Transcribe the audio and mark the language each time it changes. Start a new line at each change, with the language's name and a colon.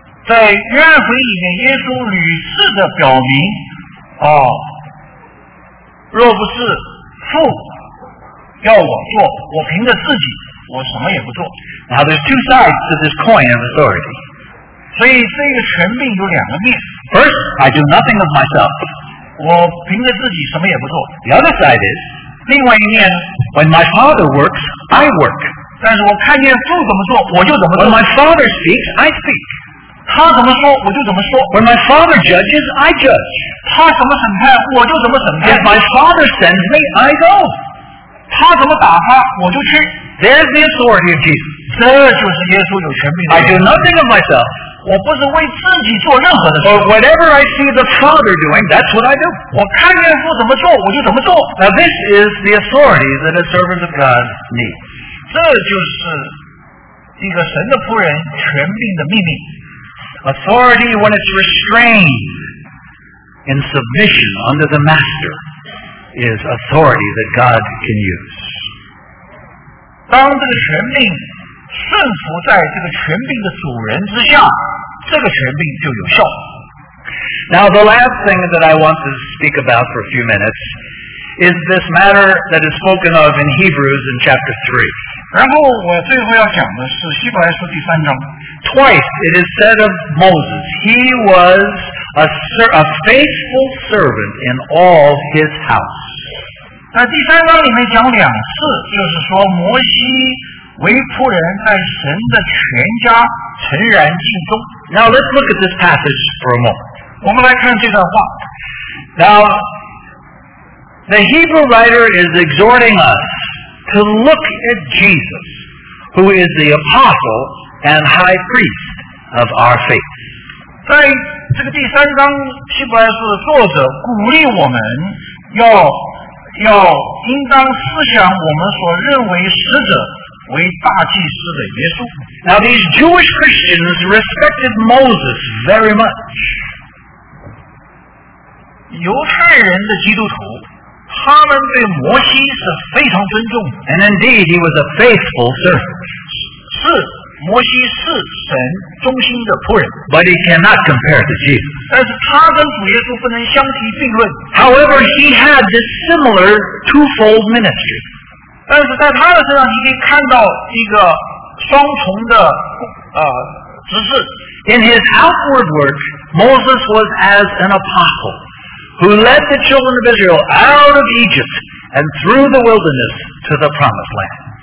Chinese: 在约翰福音里面，耶稣屡次的表明，哦，若不是父要我做，我凭着自己，我什么也不做。
English: Now there's two sides to this coin of authority.
Chinese: 所以这个权柄有两个面。
English: First, I do nothing of myself.
Chinese: 我凭着自己什么也不做。
English: The other side is,
Chinese: 另外一面,
English: when my father works, I work.
Chinese: 但是我看见父怎么做，我就怎么做。
English: When my father speaks, I speak.
Chinese: 他怎么说，我就怎么说。
English: When my father judges, I judge.
Chinese: 他怎么审判，我就怎么审判。
English: If my father sends me, I go.
Chinese: 他怎么打他，我就去。
English: There's the authority of Jesus.
Chinese: 这就是耶稣有权柄的。
English: I do nothing of myself.
Chinese: 我不是为自己做任何的事。
English: Or whatever I see the Father doing, that's what I do.
Chinese: 我看见父怎么做，我就怎么做。
English: Now this is the authority that a servant of God needs.
Chinese: 这就是一个神的仆人权柄的秘密。
English: Authority when it's restrained in submission under the Master is authority that God can use.
Chinese: 当这个权柄顺服在这个权柄的主人之下，这个权柄就有效。
English: Now the last thing that I want to speak about for a few minutes is this matter that is spoken of in Hebrews in chapter 3.
Chinese: 然后我最后要讲的是希伯来书第三章。
English: Twice it is said of Moses, he was a faithful servant in all his house.
Chinese: 那第三章里面讲两次，就是说摩西为仆人在神的全家诚然尽忠。
English: Now let's look at this passage for a moment.
Chinese: 我们来看这段话。
English: Now, the Hebrew writer is exhorting us to look at Jesus, who is the apostle and high priest of our faith.
Chinese: 在这个第三章希伯来书的作者鼓励我们要应当思想我们所认为使者为大祭司的耶稣。
English: Now these Jewish Christians respected Moses very much.
Chinese: 犹太人的基督徒，他们对摩西是非常尊重。
English: And indeed, he was a faithful servant.
Chinese: 是，摩西是神忠心的仆人。
English: But he cannot compare to Jesus.
Chinese: 但是他跟主耶稣不能相提并论。
English: However, he had this similar twofold ministry.
Chinese: 但是在他的身上，你可以看到一个双重的职事。
English: In his outward work, Moses was as an apostle who led the children of Israel out of Egypt and through the wilderness to the promised land.